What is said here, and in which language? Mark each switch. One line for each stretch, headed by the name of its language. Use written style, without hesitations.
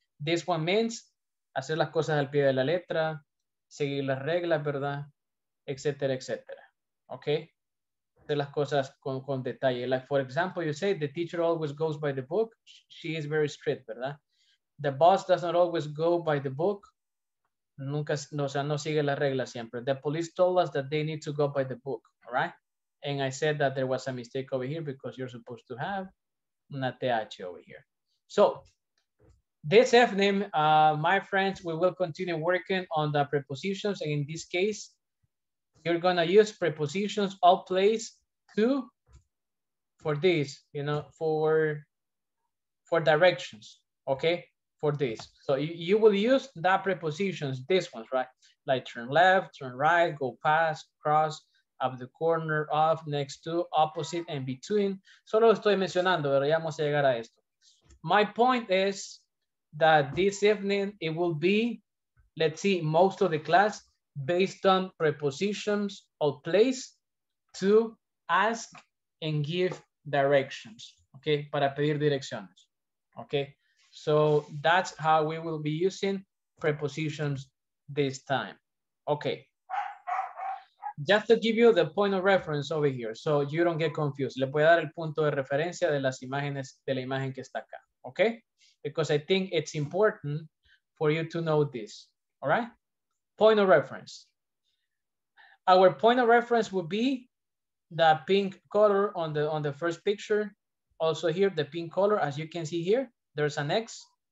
English: This one means
Spanish: hacer las cosas al pie de la letra. Seguir las reglas, ¿verdad? Etcétera, etcétera. ¿Ok? Hacer las cosas con detalle.
English: Like, for example, you say, the teacher always goes by the book. She is very strict, ¿verdad? The boss does not always go by the book.
Spanish: Nunca, no, o sea, no sigue las reglas siempre.
English: The police told us that they need to go by the book. All right? And I said that there was a mistake over here because you're supposed to have una TH over here. So, this evening, my friends, we will continue working on the prepositions. And in this case, you're going to use prepositions all place to, for this, you know, for directions, okay, for this. So you will use that prepositions, this one, right? Like turn left, turn right, go past, cross, up the corner, off, next to, opposite, and between.
Spanish: Solo estoy mencionando, pero ya vamos a llegar a esto.
English: My point is, that this evening it will be, let's see, most of the class based on prepositions or place to ask and give directions, okay?
Spanish: Para pedir direcciones,
English: okay? So that's how we will be using prepositions this time, okay? Just to give you the point of reference over here so you don't get confused.
Spanish: Le voy a dar el punto de referencia de las imágenes, de la imagen que está acá, okay?
English: Because I think it's important for you to know this, all right? Point of reference. Our point of reference would be the pink color on the first picture. Also here, the pink color, as you can see here, there's an X.